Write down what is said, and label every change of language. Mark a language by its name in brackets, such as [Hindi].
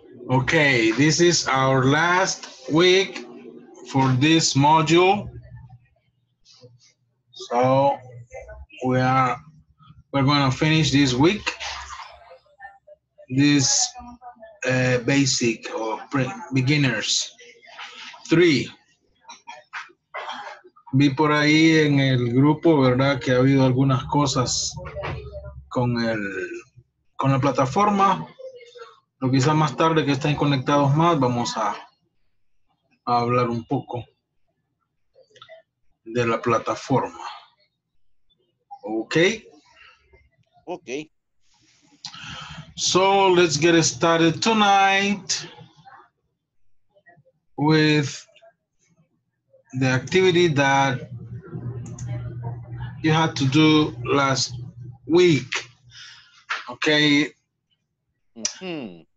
[English] Okay, this is our last week for this module. So we're gonna finish this week, this basic or beginners three. [Spanish] Vi por ahí en el grupo, verdad, que ha habido algunas cosas con la plataforma. Pero quizás más tarde que estén conectados más, vamos a hablar un poco de la plataforma. [English] Okay. Okay. So let's get started tonight with the activity that you had to do last week. Okay. Mm-hmm.